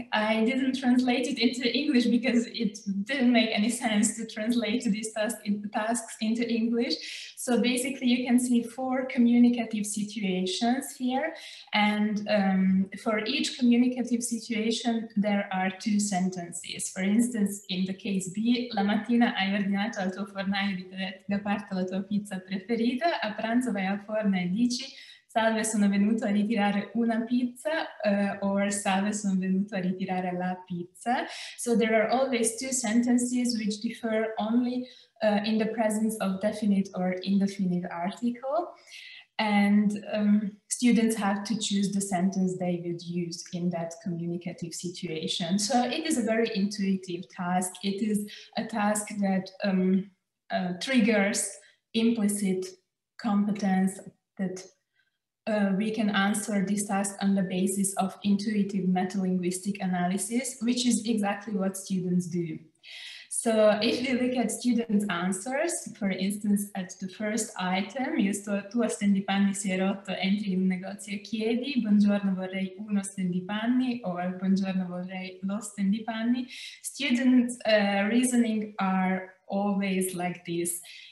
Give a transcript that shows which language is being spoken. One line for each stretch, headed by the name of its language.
English: I didn't translate it into English because it didn't make any sense to translate these tasks into English. So basically you can see four communicative situations here. And for each communicative situation, there are two sentences. For instance, in the case B,
Italian: la mattina hai ordinato al tuo fornaio di da parte la tua pizza preferita, a pranzo vai al forno e dici, salve, sono venuto a ritirare una pizza, or salve, sono venuto a ritirare la pizza.
English: So there are always two sentences which differ only in the presence of definite or indefinite article. And students have to choose the sentence they would use in that communicative situation. So it is a very intuitive task. It is a task that triggers implicit competence that we can answer this task on the basis of intuitive metalinguistic analysis, which is exactly what students do. So if we look at students' answers, for instance, at the first item,
Italian: io sto, tu hai stendipanni, si è rotto, entri in un negozio e chiedi, buongiorno, vorrei uno stendipanni, or buongiorno, vorrei lo stendipanni.
English: Students' reasoning are always like this.